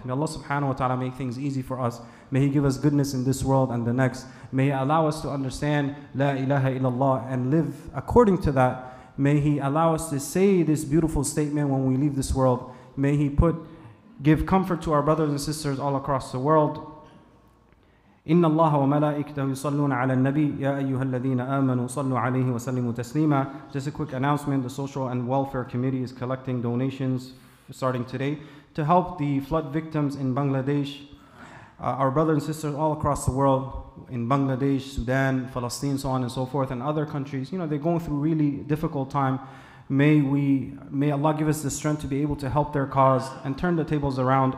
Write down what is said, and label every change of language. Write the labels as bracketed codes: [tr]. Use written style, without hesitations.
[en] May Allah subhanahu wa ta'ala make things easy for us. May He give us goodness in this world and the next. May He allow us to understand La ilaha illallah and live according to that. May He allow us to say this beautiful statement when we leave this world. May He give comfort to our brothers and sisters all across the world. [ar] إن الله وملائكته يصلون على النبي يا أيها الذين آمنوا صلوا عليه وسلموا تسليما. [en] Just a quick announcement: the Social and Welfare Committee is collecting donations starting today to help the flood victims in Bangladesh. Our brothers and sisters all across the world, in Bangladesh, Sudan, Palestine, so on and so forth, and other countries. You know, they're going through a really difficult time. May Allah give us the strength to be able to help their cause and turn the tables around.